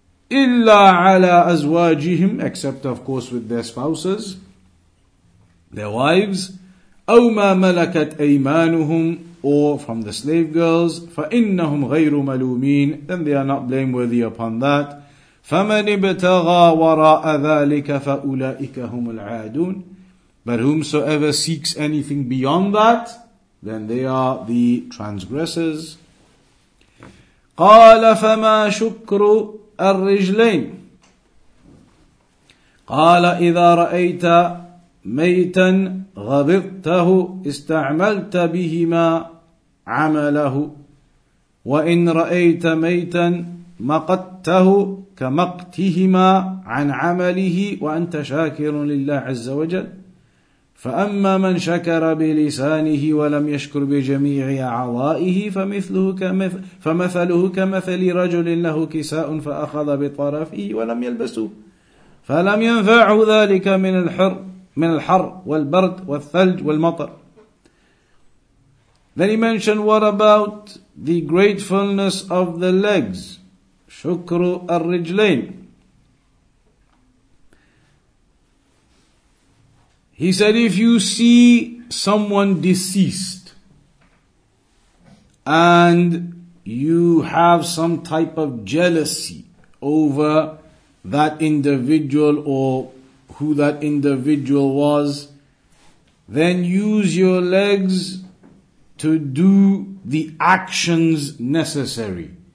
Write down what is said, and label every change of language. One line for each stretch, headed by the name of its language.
Arabic: إِلَّا عَلَىٰ أَزْوَاجِهِمْ,
English: except of course with their spouses, their wives,
Arabic: أَوْ مَا مَلَكَتْ أَيْمَانُهُمْ,
English: or from the slave girls,
Arabic: فَإِنَّهُمْ غَيْرُ مَلُومِينَ,
English: then they are not blameworthy upon that.
Arabic: فَمَنِ ابْتَغَى وَرَاءَ ذَٰلِكَ فَأُولَٰئِكَ هُمُ الْعَادُونَ.
English: But whomsoever seeks anything beyond that, then they are the transgressors.
Arabic: قال فما شكر الرجلين قال إذا رأيت ميتا غبطته استعملت بهما عمله وإن رأيت ميتا مقته كمقتهما عن عمله وأنت شاكر لله عز وجل فأما من شكر بلسانه ولم يشكر بجميع أعضائه فمثله كمثل رجل له كساء فأخذ بطرفه ولم يلبسه فلم ينفعه ذلك من الحر والبرد والثلج والمطر.
English: Then he mentioned, what about the gratefulness of the legs?
Arabic: Shukru al-rijlain.
English: He said, if you see someone deceased and you have some type of jealousy over that individual or who that individual was, then use your legs to do the actions necessary.